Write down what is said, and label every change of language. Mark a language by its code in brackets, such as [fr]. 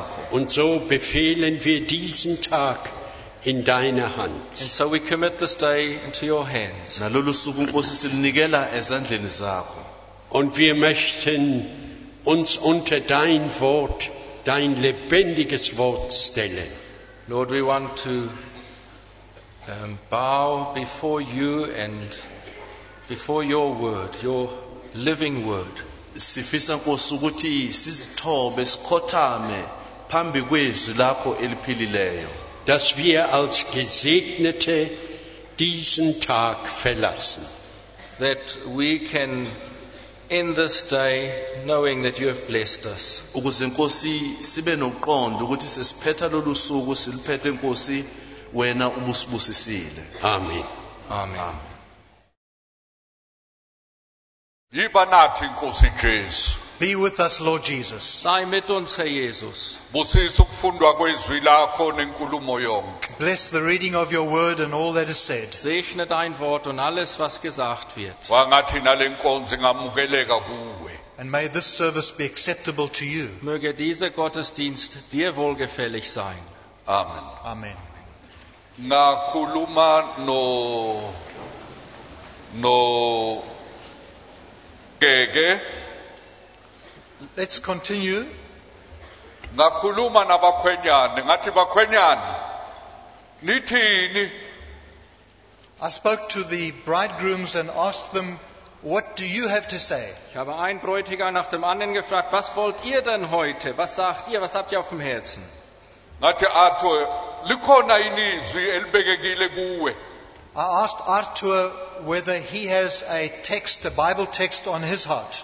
[de] Und so befehlen wir diesen Tag in deine Hand. [en] And so we commit this day into your hands. [de] Und wir möchten uns unter dein Wort, dein lebendiges Wort stellen. [en] Lord, we want to bow before you and before your word, your living word. [zu] Sifisa Nkosi ukuthi sizithobe sikhothame phambi kwezwi lakho eliphilileyo. [de] Dass wir als Gesegnete diesen Tag verlassen. [en] That we can end this day knowing that you have blessed us. [zu] Ukuze Nkosi sibe noqondo ukuthi sesiphetha lolu suku siliphethe Nkosi wena ubusibusisile. Amen. Amen. Amen. Yiba nathi Nkosi Jesu. [en] Be with us, Lord Jesus. [de] Sei mit uns, Herr Jesus. [zu] Busisa ukufundwa kwezwi lakho nenkulumo yonke. [en] Bless the reading of your word and all that is said. [de] Segne dein Wort und alles, was gesagt wird. [zu] Wangathi nale nkonzo ngamukeleka kuwe. [en] And may this service be acceptable to you. [de] Möge dieser Gottesdienst dir wohlgefällig sein. Amen. Amen. [zu] Ngakhuluma no Gege. [en] Let's continue. [zu] Ngakhuluma nabakhwenyana, ngathi bakhwenyana, nithini? [en] I spoke to the bridegrooms and asked them, what do you have to say? [de] Ich habe einen Bräutigam nach dem anderen gefragt, was wollt ihr denn heute? Was sagt ihr? Was habt ihr auf dem Herzen? [zu] Ngathi Arthur, likhona inizwi elibekekile kuwe. [en] I asked Arthur whether he has a text, a Bible text on his heart.